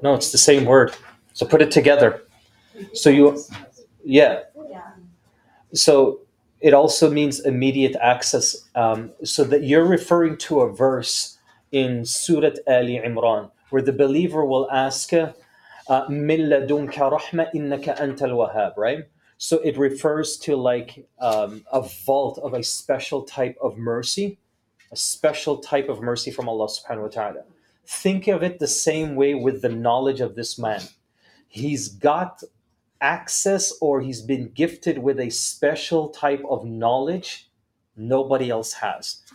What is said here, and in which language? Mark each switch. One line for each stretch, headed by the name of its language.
English: no, it's the same word. So, put it together. So, you... Yeah. So, it also means immediate access. So, that you're referring to a verse in Surat Ali Imran, where the believer will ask...
Arabic: مِن لَدُنْكَ رَحْمَةٍ إِنَّكَ أَنْتَ الْوَهَابِ right?
English: So it refers to like a vault of a special type of mercy, a special type of mercy from Allah subhanahu wa ta'ala. Think of it the same way with the knowledge of this man. He's got access or he's been gifted with a special type of knowledge nobody else has.